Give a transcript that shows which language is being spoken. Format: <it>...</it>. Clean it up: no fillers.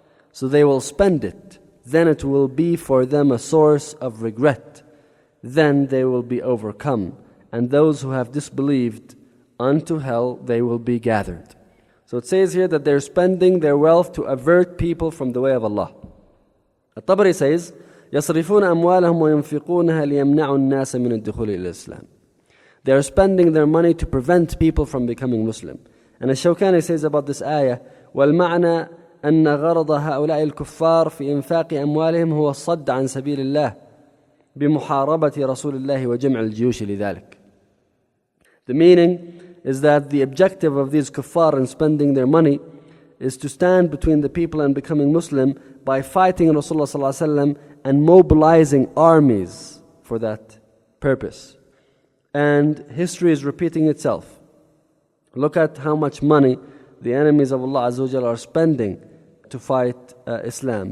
<en>So they will spend it. Then it will be for them a source of regret. Then they will be overcome. And those who have disbelieved, unto hell they will be gathered. So it says here that they're spending their wealth to avert people from the way of Allah. At-Tabari says,</en> <ar>يَصْرِفُونَ أَمْوَالَهُمْ وَيُنْفِقُونَهَا لِيَمْنَعُوا النَّاسَ مِنَ الدُّخُولِ إِلَى الْإِسْلَامِ.</ar> <en>They are spending their money to prevent people from becoming Muslim. And as Shawkani says about this ayah,</en> <ar>وَالْمَعْنَى أَنَّ غَرَضَ هَؤُلَاءِ الْكُفَّارِ فِي إِنْفَاقِ أَمْوَالِهِمْ هُوَ الصَّدَّ عَنْ سَبِيلِ اللَّهِ بِمُحَارَبَةِ رَسُولِ اللَّهِ وَجَمْعِ الْجِيُوشِ لِذَلِكِ.</ar> <en>The meaning is that the objective of these kuffar in spending their money is to stand between the people and becoming Muslim by fighting Rasulullah صلى الله عليه وسلم and mobilizing armies for that purpose. And history is repeating itself. Look at how much money the enemies of Allah Azza wa Jalla are spending to fight Islam.</en>